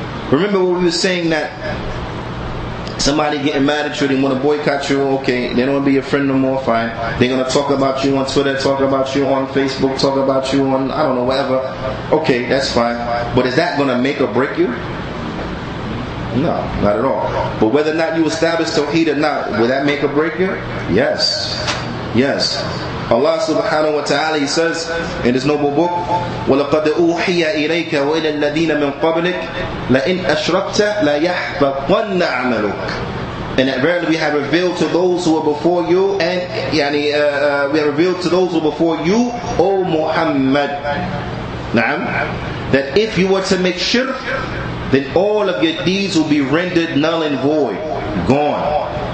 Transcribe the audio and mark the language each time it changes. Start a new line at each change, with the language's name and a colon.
English: Remember what we were saying, that somebody getting mad at you, they want to boycott you, okay, they don't want to be your friend no more, fine. They're going to talk about you on Twitter, talk about you on Facebook, talk about you on, I don't know, whatever. Okay, that's fine. But is that going to make or break you? No, not at all. But whether or not you establish tawheed or not, will that make or break you? Yes. Yes. Allah subhanahu wa ta'ala, He says in His noble book,
Arabic: وَلَقَدْ أُوحِيَ إِلَيْكَ وَإِلَى الَّذِينَ مِنْ قَبْلِكَ لَإِنْ أَشْرَكْتَ لَيَحْبَطَنَّ عَمَلُكَ.
English: And verily we have revealed to those who were before you, and we have revealed to those who were before you, O Muhammad. Na'am. That if you were to make shirk, then all of your deeds will be rendered null and void, gone.